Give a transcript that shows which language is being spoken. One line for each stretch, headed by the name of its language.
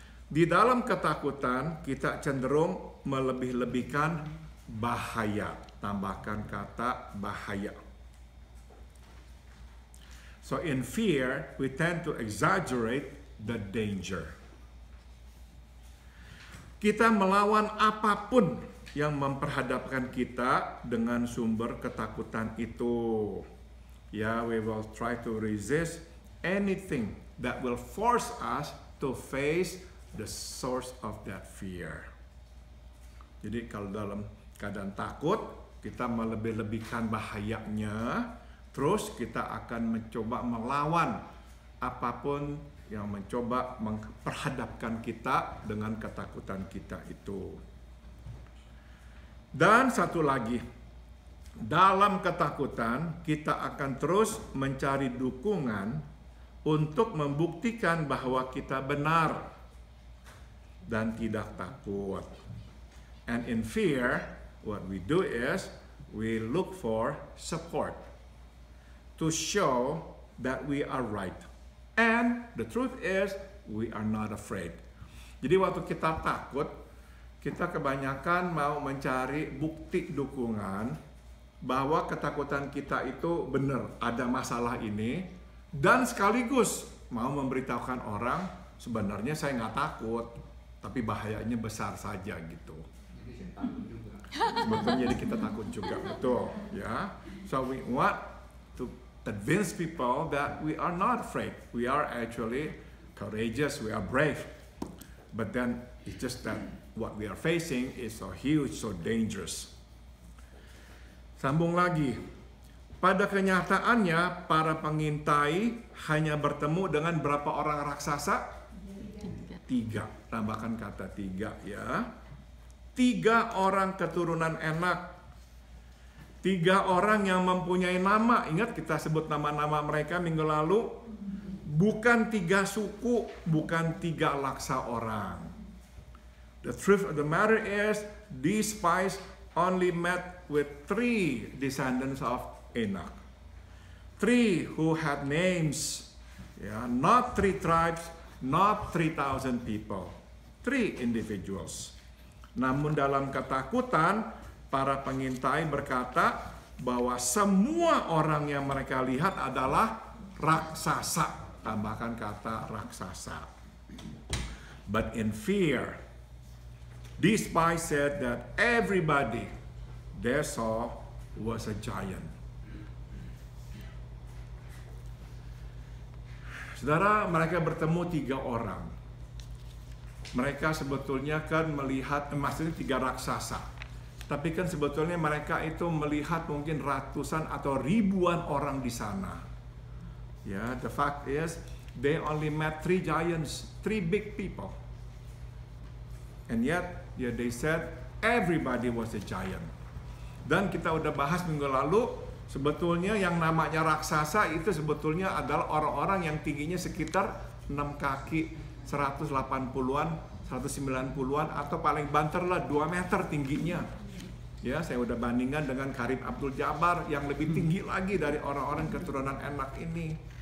Indonesian: Di dalam ketakutan, kita cenderung melebih-lebihkan bahaya. Tambahkan kata bahaya.
English: So in fear, we tend to exaggerate the danger.
Indonesian: Kita melawan apapun yang memperhadapkan kita dengan sumber ketakutan itu.
English: Yeah, we will try to resist anything that will force us to face the source of that fear.
Indonesian: Jadi kalau dalam keadaan takut, kita melebih-lebihkan bahayanya, terus kita akan mencoba melawan apapun yang mencoba memperhadapkan kita dengan ketakutan kita itu. Dan satu lagi, dalam ketakutan kita akan terus mencari dukungan untuk membuktikan bahwa kita benar dan tidak takut.
English: And in fear, what we do is we look for support to show that we are right. And the truth is, we are not afraid.
Indonesian: Jadi waktu kita takut, kita kebanyakan mau mencari bukti dukungan bahwa ketakutan kita itu benar, ada masalah ini, dan sekaligus mau memberitahukan orang, sebenarnya saya gak takut, tapi bahayanya besar saja gitu. Sebetulnya jadi kita takut juga, betul ya.
English: So we want to convince people that we are not afraid. We are actually courageous, we are brave. But then it's just that what we are facing is so huge, so dangerous.
Indonesian: Sambung lagi. Pada kenyataannya, para pengintai hanya bertemu dengan berapa orang raksasa? Tiga. Tambahkan kata tiga ya. Tiga orang keturunan Enak. Tiga orang yang mempunyai nama. Ingat kita sebut nama-nama mereka minggu lalu. Bukan tiga suku, bukan tiga laksa orang.
English: The truth of the matter is, these spies only met with three descendants of Enoch. Three who had names. Yeah, not three tribes, not 3,000 people. Three individuals.
Indonesian: Namun dalam ketakutan, para pengintai berkata bahwa semua orang yang mereka lihat adalah raksasa. Tambahkan kata raksasa.
English: But in fear, these spies said that everybody they saw was a giant.
Indonesian: Saudara, mereka bertemu tiga orang. Mereka sebetulnya kan melihat, maksudnya tiga raksasa. Tapi kan sebetulnya mereka itu melihat mungkin ratusan atau ribuan orang di sana.
English: Ya, the fact is, they only met three giants, three big people. And yet, yeah, they said everybody was a giant.
Indonesian: Dan kita udah bahas minggu lalu, sebetulnya yang namanya raksasa itu sebetulnya adalah orang-orang yang tingginya sekitar 6 kaki, 180-an, 190-an atau paling banter lah 2 meter tingginya. Ya, saya udah bandingkan dengan Karim Abdul Jabbar yang lebih tinggi lagi dari orang-orang keturunan Enak ini.